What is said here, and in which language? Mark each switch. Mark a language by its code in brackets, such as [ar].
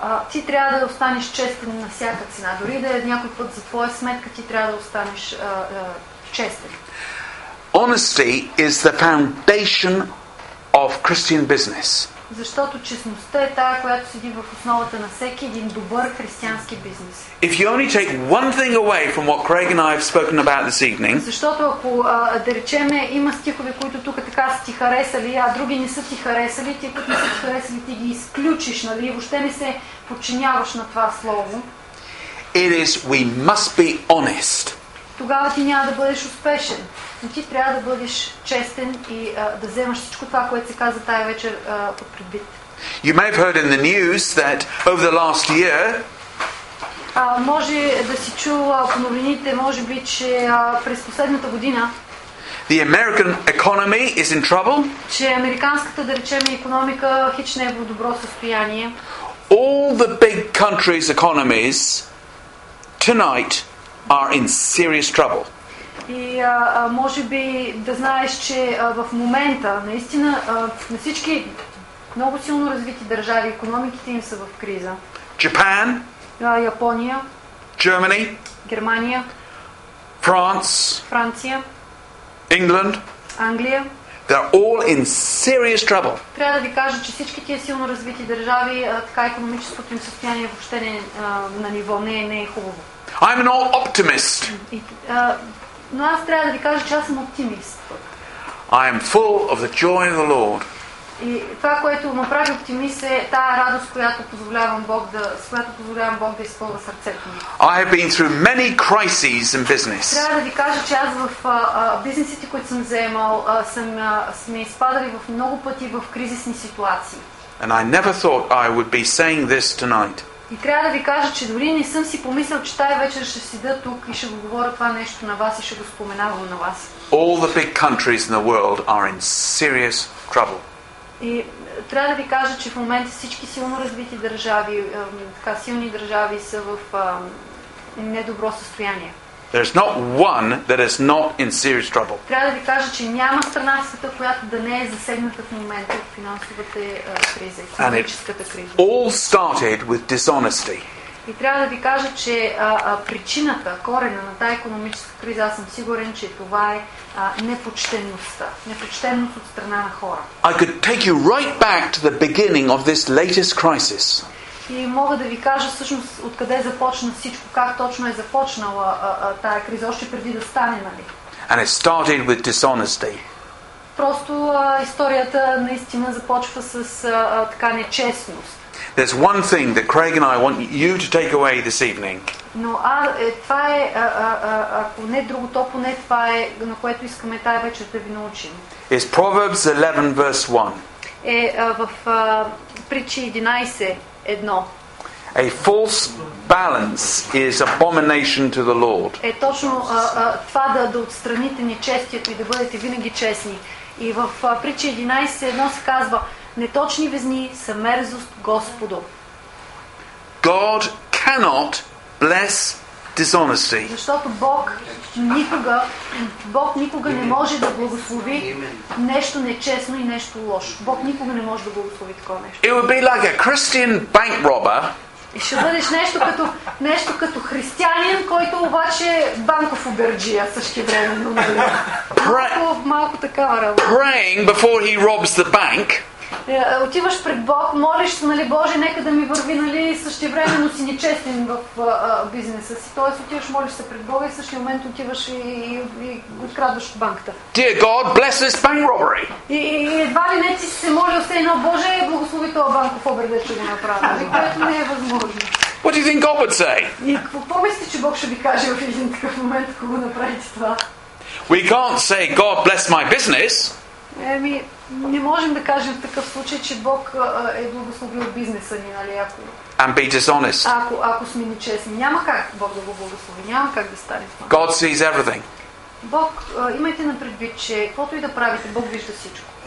[bg] Ти трябва да останеш честен на всяка цена. Дори да е някой път за твоя сметка, ти трябва да останеш честен. [en] Honesty is the foundation of Christian business. [bg] Защото честността е тая, която седи в основата на всеки един добър християнски бизнес. [en] If you only take one thing away from what Craig and I have spoken about this evening. [bg] Защото ако да речем, има стихове, които тук така са ти харесали, а други не са ти харесали, тие, които не са ти харесали, ти ги изключиш, нали, въобще не се подчиняваш на това слово. [en] It is we must be honest. [bg] Тогава ти няма да бъдеш успешен. Но ти трябва да бъдеш честен и да вземаш всичко това, което се каза тая вечер под предвид. [en] You may have heard in the news that over the last year, [bg] може да си чул по новините, може би, че през последната година, [en] the American economy is in trouble. [bg] Че американската, да речем, икономика хич не е в добро състояние. [en] All the big countries' economies tonight are in serious trouble. [bg] И може би да знаеш, че в момента наистина на всички много силно развити държави икономиките им са в криза. [en] Japan, [bg] Япония, [en] Germany, [bg] Германия, [en] France, [bg] Франция, [en] England, [bg] Англия. [en] They're all in serious trouble. [bg] Трябва да ви кажа, че всички тези силно развити държави, така икономическото им състояние въобще не на ниво, не е хубаво. [en] I'm an optimist. [bg] Но аз трябва да ви кажа, че аз съм оптимист. [en] I am full of the joy of the Lord. [bg] И това, което ме прави оптимист, е тая радост, която позволявам Бог да, с която позволявам Бог да изпълва сърцето ми. [en] I have been through many crises in business. [bg] Трябва да ви кажа, че аз в бизнесите, които съм заемал, сме изпадали в много пъти в кризисни ситуации. [en] And I never thought I would be saying this tonight. [bg] И трябва да ви кажа, че дори не съм си помислил, че тая вечер ще седа тук и ще го говоря това нещо на вас и ще го споменавам на вас. [en] All the big countries in the world are in serious trouble. [bg] И трябва да ви кажа, че в момента всички силно развити държави, така силни държави са в недобро състояние. [en] There's not one that is not in serious trouble. [bg] Трябва да ви кажа, че няма страна в света, която да не е засегната в момента от финансовата криза, икономическата криза. [en] And it all started with dishonesty. [bg] И трябва да ви кажа, че причината, корена на тази икономическа криза, аз съм сигурен, че това е непочтеността, непочтеност от страна на хора. [en] I could take you right back to the beginning of this latest crisis. [bg] И мога да ви кажа всъщност откъде започна всичко, как точно е започнала тая криза, още преди да стане, нали? [en] And it started with dishonesty. [bg] Просто историята наистина започва с така нечестност. [en] There's one thing that Craig and I want you to take away this evening. [bg] Но това е, ако не друго, то поне това е, на което искаме тая вечер да ви научим. [en] It's Proverbs 11 verse 1. [bg] Е в Притчи 11. Едно. [en] A false balance is abomination to the Lord. [bg] Е точно това да отстраните нечестието и да бъдете винаги честни. И в Притчи 11:1 се казва: неточни везни са мерзост Господу. [en] God cannot bless dishonesty. [bg] Защото Бог никога не може да благослови нещо нечестно и нещо лошо. Бог никога не може да благослови такова нещо. [en] It would be like a Christian bank robber. [bg] И ще бъдеш нещо като християнин, който обаче банков убърджия същевременно. Малко такава работа. [en] Praying before he robs the bank. [bg] Отиваш пред Бог, молиш се, нали, Боже, нека да ми върви, нали, същевременно си нечестен в бизнеса си. Тоест отиваш, молиш се пред Бога и в същия момент отиваш и открадваш от банката. [en] Dear God, bless this bank robbery. [bg] И едва ли не си се молил все едно, Боже, благослови това банков обърде, че ги направя, което не е възможно. [en] What do you think God would say? [bg] И какво мислите, че Бог ще ви каже в един такъв момент, ако го направите това? [en] We can't say, God bless my business. [bg] Еми, не можем да кажем в такъв случай, че Бог е благословил бизнеса ни, нали, ако... [en] And be dishonest. [bg] Ако сме нечестни. Няма как Бог да го благослови. Няма как да стане това. [en] God sees everything. [bg] Бог, имайте на предвид, че каквото и да правите, Бог вижда всичко.